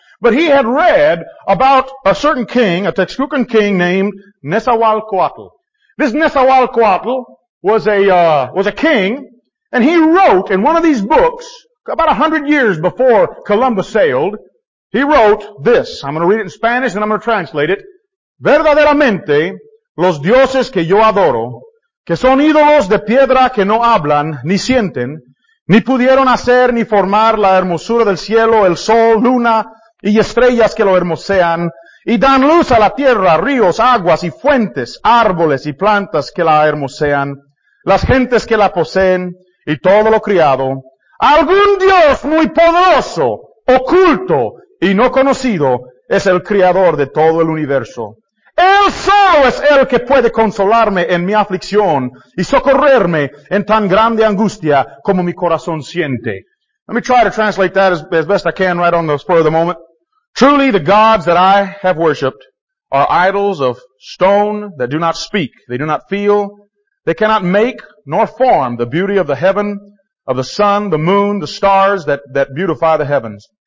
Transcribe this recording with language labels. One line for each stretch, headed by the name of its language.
English: But he had read about a certain king, a Texcocan king named Nezahualcóatl. This Nezahualcóatl was a king, and he wrote in one of these books, about 100 years before Columbus sailed, he wrote this. I'm going to read it in Spanish, and I'm going to translate it.
Spanish: Verdaderamente, los dioses que yo adoro, que son ídolos de piedra que no hablan ni sienten, ni pudieron hacer ni formar la hermosura del cielo, el sol, luna, y estrellas que lo hermosean, y dan luz a la tierra, ríos, aguas y fuentes, árboles y plantas que la hermosean, las gentes que la poseen, y todo lo criado. Algún Dios muy poderoso, oculto y no conocido, es el creador de todo el universo. Él solo es el que puede consolarme en mi aflicción y socorrerme en tan grande angustia como mi corazón siente.
English: Let me try to translate that as best I can right on the spur of the moment. Truly, the gods that I have worshipped are idols of stone that do not speak. They do not feel. They cannot make nor form the beauty of the heaven, of the sun, the moon, the stars that beautify the heavens.